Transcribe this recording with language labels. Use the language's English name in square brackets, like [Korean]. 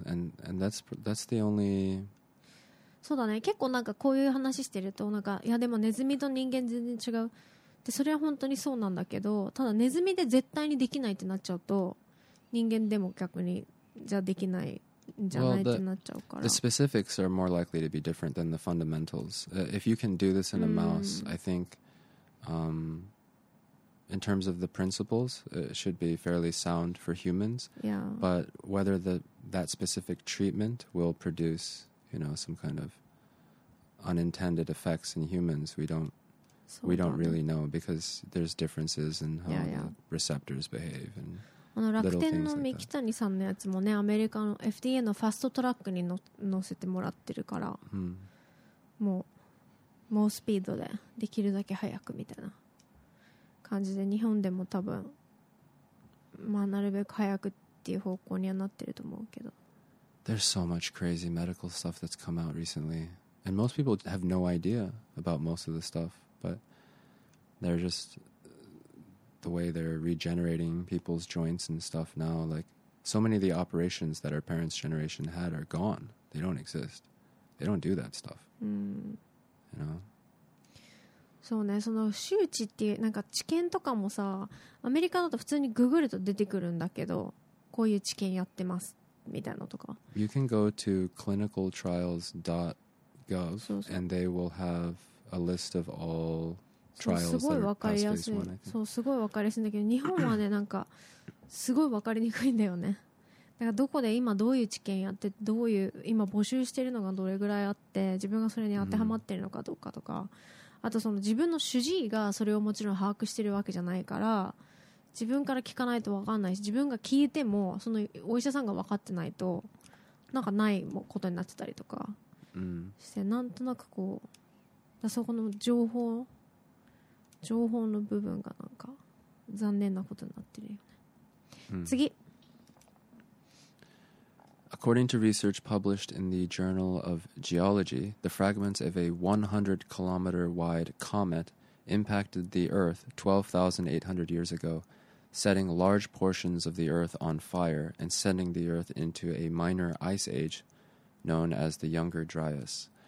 [English] And that's the only... [Japanese] そうだね、結構なんかこういう話してると、なんかいやでもネズミと人間全然違うで、それは本当にそうなんだけど、ただネズミで絶対にできないってなっちゃうと、人間でも逆にじゃあできないじゃないってなっちゃうから、 [English] the specifics are more likely to be different than the fundamentals. If you can do this in a mouse, I think in terms of the principles, it should be fairly sound for humans. Yeah. But whether that specific treatment will produceyou know, some kind of unintended effects in humans, we don't really know, because there's differences in how the receptors behave and little things like that. [Japanese] 楽天の三木谷さんのやつもね、アメリカの FDA のファストトラックに乗せてもらってるから、もう猛スピードでできるだけ早くみたいな感じで、日本でも多分、まあなるべく早くっていう方向にはなってると思うけど、 [English] There's so much crazy medical stuff that's come out recently. And most people have no idea about most of the stuff, but they're just the way they're regenerating people's joints and stuff now. Like, so many of the operations that our parents' generation had are gone. They don't exist. They don't do that stuff. You know? [Japanese] そうね、その周知っていう、なんか知見とかもさ、アメリカだと普通にググると出てくるんだけど、こういう知見やってます。みたいなとか。 [English] You can go to clinicaltrials.gov and they will have a list of all trials. [Japanese] すごい分かりやすい。そう、すごい分かりやすいんだけど、日本はね、なんかすごい分かりにくいんだよね。だからどこで今どういう治験やって、どういう今募集してるのがどれぐらいあって、自分がそれに当てはまってるのかどうかとか、あとその自分の主治医がそれをもちろん把握してるわけじゃないから、自分から聞かないと分かんないし、自分が聞いてもそのお医者さんが分かってないとなんかないことになってたりとかして、なんとなくこうだ、そこの情報の部分がなんか残念なことになってるよね。次。 [English] According to research published in the Journal of Geology, the fragments of a 100 kilometer wide comet impacted the Earth 12,800 years agoSetting large portions of the Earth on fire and sending the Earth into a minor ice age known as the Younger Dryas.